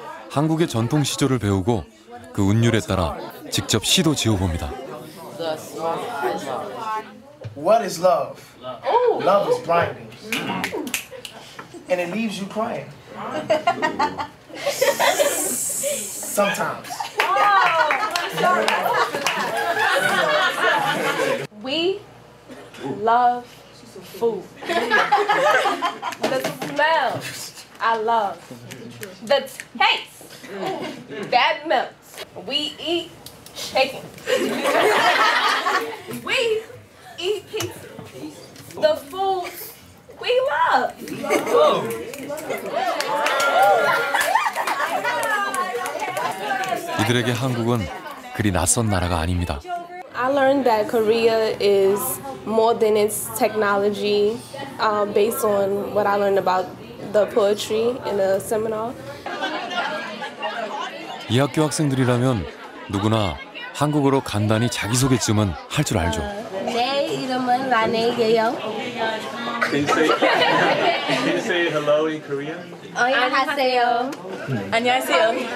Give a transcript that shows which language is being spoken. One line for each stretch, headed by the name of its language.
Korean: 한국의 전통 시조를 배우고 그 운율에 따라 직접 시도 지어봅니다.
English: What is love? Love is blindness, and it leaves you crying. Sometimes. We love food. The smell, I love. The taste, that melts. We eat chicken. We eat pizza. The food we love. I learned that Korea is more than its technology based on what I learned about the poetry in the seminar.
Korean: 이 학교 학생들이라면 누구나 한국어로 간단히 자기소개쯤은 할 줄 알죠. 내 이름은 라네예요.
English: Can you say hello in Korean?
Korean: 안녕하세요. 안녕하세요.